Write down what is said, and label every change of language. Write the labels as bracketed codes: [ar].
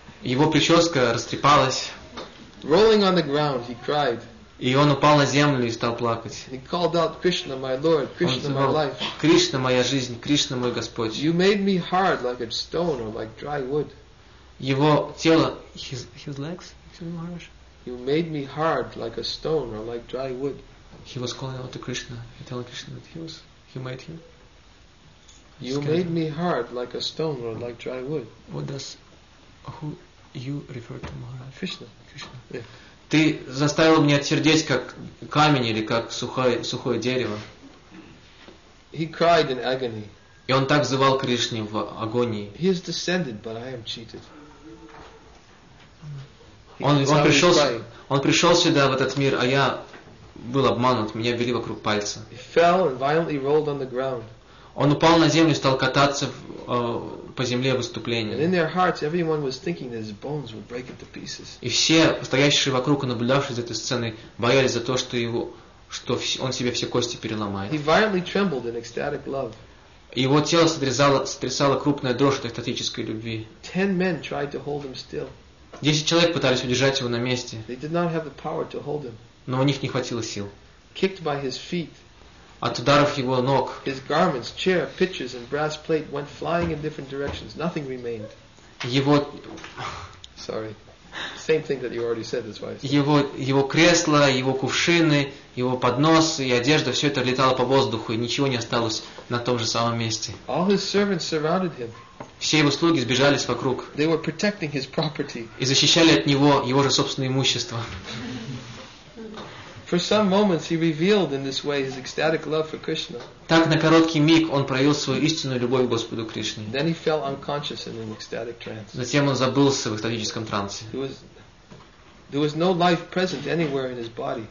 [ru] Его прическа растрепалась. [en] Rolling on the ground, he cried. [ru] И он упал на землю и стал плакать. [en] He called out, Krishna, my Lord, Krishna, my life. [ru] Кришна, моя жизнь, Кришна, мой Господь. [en] You made me hard like a stone or like dry wood. [ru] Его тело... [en] His legs? You made me hard like a stone or like dry wood. He was calling out to Krishna. He told Krishna that he made him. You made me hard like a stone or like dry wood. What does who you refer to, Maharaj? Krishna. Yeah. [ru] Ты заставил меня отсердеть как камень или как сухое дерево. [en] He cried in agony. [ru] И он так взывал Кришне в агонии. [en] He is descended, but I am cheated. [ru] Он пришел сюда в этот мир, а я был обманут, меня вели вокруг пальца. [en] He fell and violently rolled on the ground. [ru] Он упал на землю и стал кататься по земле в выступлении. [en] And in their hearts, everyone was thinking that his bones would break into pieces. [ru] И все стоящие вокруг и наблюдавшие за этой сценой боялись за то, что он себе все кости переломает. [en] He violently trembled in ecstatic love. [ru] Его тело сотрясало крупная дрожь от экстатической любви. [en] 10 men tried to hold him still. [ru] 10 человек пытались удержать его на месте. [en] They did not have the power to hold him. [ru] Но у них не хватило сил. [en] Kicked by his feet. [ru] От ударов его ног. [en] His garments, chair, pitchers, and brass plate went flying in different directions. Nothing remained. [ru] Его. [en] Sorry. Same thing that you already said. That's why. [ru] Его кресло, его кувшины, его поднос и одежда, все это летало по воздуху и ничего не осталось на том же самом месте. [en] All his servants surrounded him. [ru] Все его слуги сбежались вокруг. [en] They were protecting his property. [ru] И защищали от него его же собственное имущество. [en] For some moments he revealed in this way his ecstatic love for Krishna. [ru] Так на короткий миг он проявил свою истинную любовь к Господу Кришне. [en] Then he fell unconscious in an ecstatic trance. [ru] Затем он забылся в экстатическом трансе. [en] There was no life present anywhere in his body.